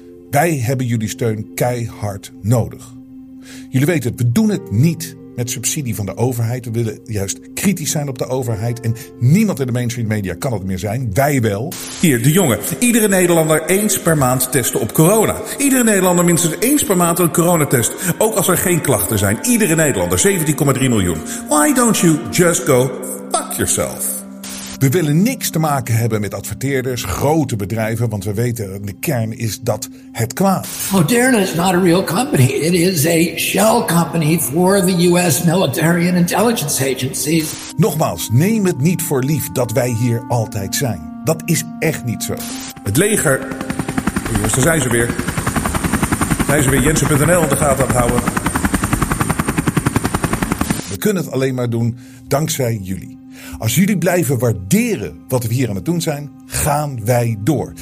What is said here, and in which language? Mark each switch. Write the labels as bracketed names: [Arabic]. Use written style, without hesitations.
[Dutch] Wij hebben jullie steun keihard nodig. Jullie weten het, we doen het niet met subsidie van de overheid. We willen juist kritisch zijn op de overheid. En niemand in de mainstream media kan het meer zijn. Wij wel. Hier, De Jonge. Iedere Nederlander eens per maand testen op corona. Iedere Nederlander minstens eens per maand een coronatest. Ook als er geen klachten zijn. Iedere Nederlander, 17,3 miljoen. [English] Why don't you just go fuck yourself? [Dutch] We willen niks te maken hebben met adverteerders, grote bedrijven, want we weten, de kern is dat het kwaad. [English] Moderna is not a real company. It is a shell company for the US military and intelligence agencies. [Dutch] Nogmaals, neem het niet voor lief dat wij hier altijd zijn. Dat is echt niet zo. Het leger. Jongens, daar zijn ze weer. Zijn ze weer Jensen.nl in de gaten aan het houden. We kunnen het alleen maar doen dankzij jullie. Als jullie blijven waarderen wat we hier aan het doen zijn, gaan wij door.